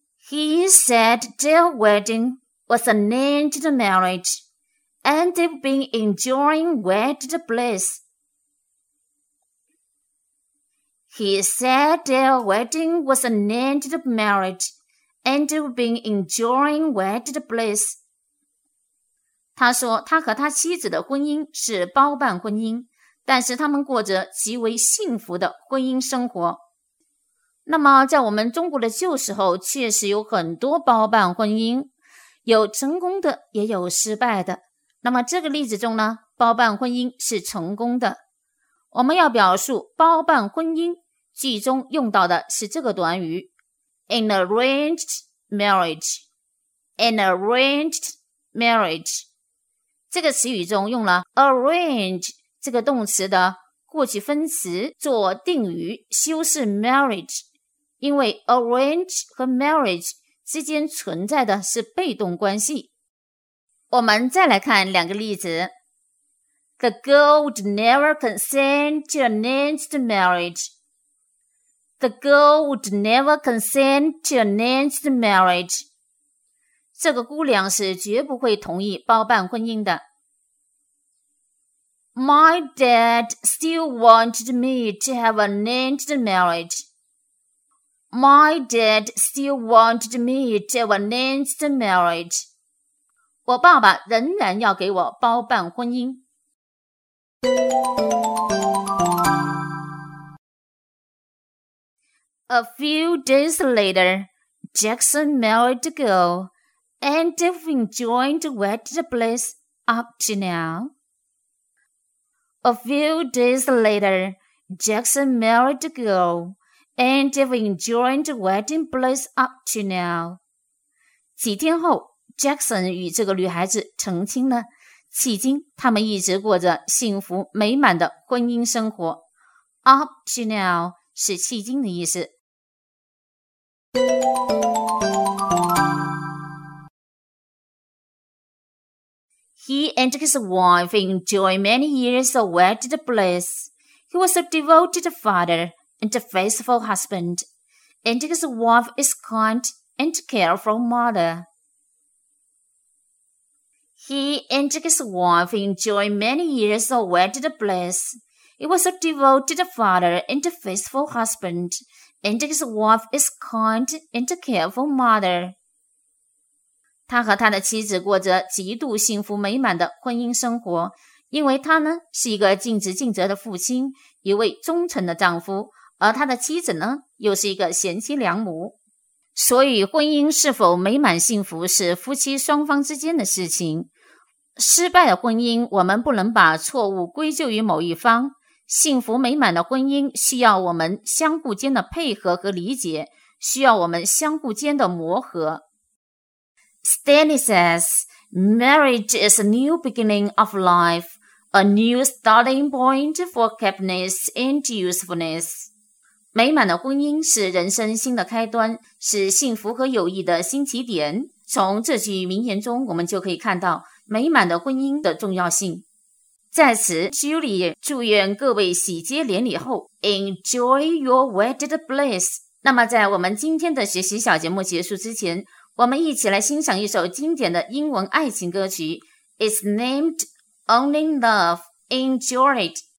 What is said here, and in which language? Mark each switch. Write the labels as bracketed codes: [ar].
[en] He said their wedding was an ancient marriage and they've been enjoying wedded bliss. He said their wedding was an ancient marriage and they've been enjoying wedded bliss. [zh] 他说他和他妻子的婚姻是包办婚姻，但是他们过着极为幸福的婚姻生活。那么在我们中国的旧时候，确实有很多包办婚姻，有成功的也有失败的。那么这个例子中呢，包办婚姻是成功的。我们要表述包办婚姻，句中用到的是这个短语 [en] An arranged marriage. An arranged marriage. [zh] 这个词语中用了 arrange 这个动词的过去分词做定语，修饰 marriage, 因为 arrange 和 marriage 之间存在的是被动关系。我们再来看两个例子。 [en] The girl would never consent to an arranged marriage. The girl would never consent to an arranged marriage. [zh] 这个姑娘是绝不会同意包办婚姻的。 [en] My dad still wanted me to have an arranged marriage. My dad still wanted me to have an arranged marriage. [zh] 我爸爸仍然要给我包办婚姻。 [en] A few days later, Jackson married a girl. And they've enjoyed wedded bliss up to now. A few days later, Jackson married the girl, and have enjoyed the wedding bliss up to now. [zh] 几天后 ,Jackson 与这个女孩子成亲了。迄今他们一直过着幸福美满的婚姻生活。 [en] Up to now [zh] 是迄今的意思。 [en] He and his wife enjoyed many years of wedded bliss. He was a devoted father and a faithful husband, and his wife is kind and careful mother. He and his wife enjoyed many years of wedded bliss. He was a devoted father and a faithful husband, and his wife is kind and careful mother. [zh] 他和他的妻子过着极度幸福美满的婚姻生活，因为他呢是一个尽职尽责的父亲，一位忠诚的丈夫，而他的妻子呢又是一个贤妻良母。所以婚姻是否美满幸福是夫妻双方之间的事情。失败的婚姻我们不能把错误归咎于某一方，幸福美满的婚姻需要我们相互间的配合和理解，需要我们相互间的磨合。 [en] Stanley says, marriage is a new beginning of life, a new starting point for happiness and usefulness. [zh] 美满的婚姻是人生新的开端，是幸福和友谊的新起点。从这句名言中我们就可以看到美满的婚姻的重要性。在此 Julie 祝愿各位喜结连理后 [en] enjoy your wedded bliss. [zh] 那么在我们今天的学习小节目结束之前，我们一起来欣赏一首经典的英文爱情歌曲 [en] It's named Only Love, Enjoy It